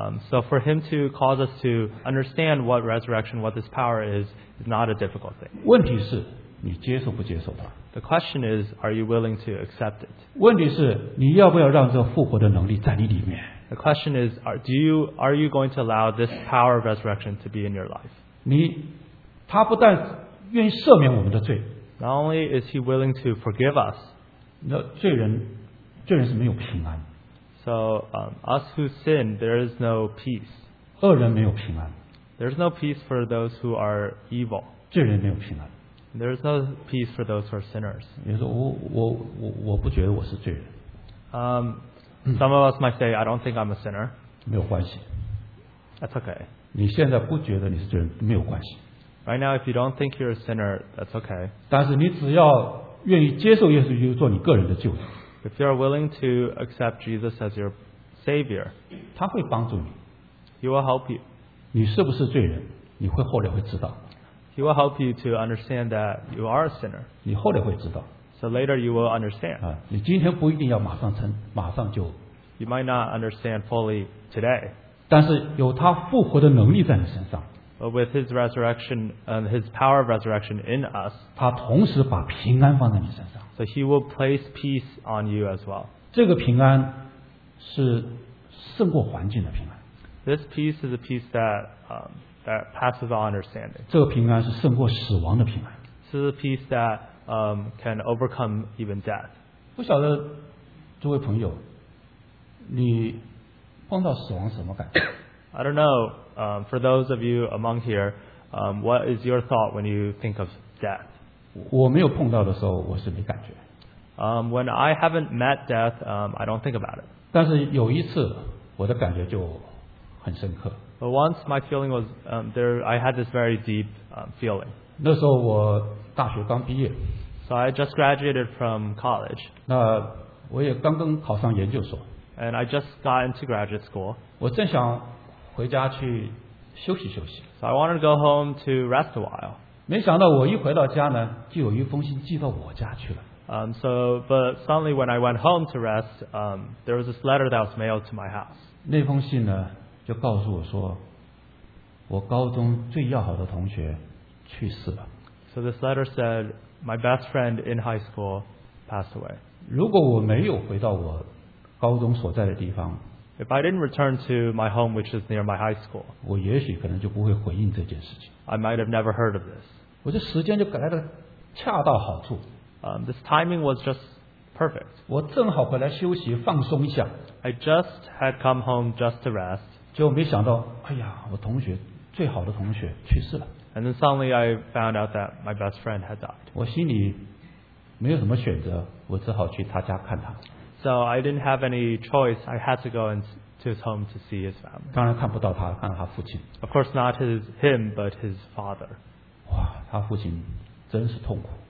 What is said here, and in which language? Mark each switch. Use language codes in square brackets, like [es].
[en] so for him to cause us to understand what resurrection, what this power is not a difficult thing. [zh] 问题是, 你接受不接受他? [en] The question is, are you willing to accept it? [zh] 问题是,你要不要让这复活的能力在你里面? [en] The question is, are you going to allow this power of resurrection to be in your life? [zh] 他不但愿意赦免我们的罪, [en] not only is he willing to forgive us, [zh] 那罪人是没有平安, [en] so us who sin, there is no peace. [zh] 恶人没有平安, [en] there is no peace for those who are evil. [zh] 罪人没有平安, [en] there is no peace for those who are sinners. [zh] 也说我不觉得我是罪人。 [en] Some of us might say, I don't think I'm a sinner. [zh] 没有关系。 [en] That's okay. [zh] 你现在不觉得你是罪人,没有关系。 [en] Right now, if you don't think you're a sinner, that's okay. [zh] 但是你只要愿意接受耶稣基督做你个人的救主。 [en] If you're willing to accept Jesus as your Savior, [zh] 他会帮助你。 [en] He will help you. [zh] 你是不是罪人?你会后来会知道。 [en] He will help you to understand that you are a sinner. [zh] 你后来会知道。 [en] So later you will understand. [zh] 啊, 你今天不一定要马上成,马上就, [en] you might not understand fully today. [zh] 但是有他复活的能力在你身上, [en] but with his resurrection and his power of resurrection in us, [zh] 他同时把平安放在你身上, [en] so he will place peace on you as well. [zh] 这个平安是胜过环境的平安。 [en] This peace is a peace that that passes all understanding. [zh] 这个平安是胜过死亡的平安。 [en] This is a peace that can overcome even death. [zh] 不晓得诸位朋友, 你碰到死亡什么感觉? [en] I don't know, for those of you among here, what is your thought when you think of death? [zh] 我没有碰到的时候我是没感觉。 [en] When I haven't met death, I don't think about it. [zh] 但是有一次我的感觉就很深刻。 [en] But once my feeling was there, I had this very deep feeling. [zh] 那时候我大学刚毕业, [en] so I just graduated from college. [zh] 那我也刚刚考上研究所, [en] and I just got into graduate school. [zh] 我正想回家去休息休息, [en] so I wanted to go home to rest a while. [zh] 没想到我一回到家呢, 就有一封信寄到我家去了。 [en] But suddenly when I went home to rest, there was this letter that was mailed to my house. [zh] 那封信呢, 就告诉我说, 我高中最要好的同学去世了。 [en] So this letter said, my best friend in high school passed away. [zh] 如果我没有回到我高中所在的地方, [en] if I didn't return to my home, which is near my high school, [zh] 我也许可能就不会回应这件事情。 [en] I might have never heard of this. [zh] 我这时间就来得恰到好处。 [en] This timing was just perfect. [zh] 我正好回来休息放松一下。 [en] I just had come home just to rest. [zh] 就没想到, 哎呀, 我同学, 最好的同学, 去世了。 [en] And then suddenly I found out that my best friend had died. [zh] 我心里没有什么选择, 我只好去他家看他。 [en] So I didn't have any choice. I had to go into his home to see his family. [zh] 当然看不到他, 看到他父亲。 [en] Of course not him, but his father. [zh] 哇, 他父亲真是痛苦。